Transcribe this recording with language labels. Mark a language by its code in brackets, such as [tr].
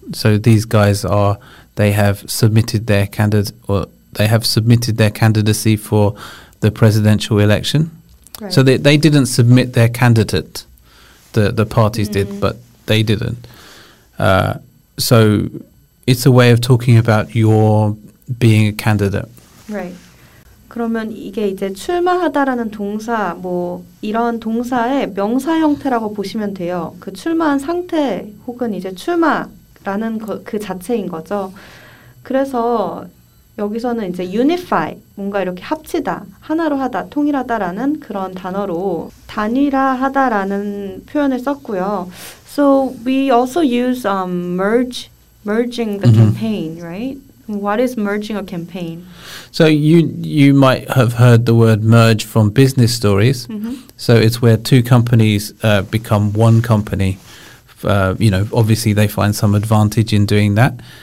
[en] So these guys are, they have submitted their candidacy for the presidential election. Right. So they didn't submit their candidate. The parties did, but they didn't. So it's a way of talking about your being a candidate. Right. [ko] 그러면 이게 이제 출마하다라는 동사, 뭐 이런 동사의 명사 형태라고 보시면 돼요. 그 출마한 상태 혹은 이제 출마라는 그 자체인 거죠. 그래서 여기서는 이제 unify, 뭔가 이렇게 합치다, 하나로 하다, 통일하다라는 그런 단어로 단일화하다라는 표현을 썼고요. [en] So we also use merging the campaign, right? What is merging a campaign? So you might have heard the word merge from business stories. Mm-hmm. So it's where two companies become one company. You know, obviously they find some advantage in doing that.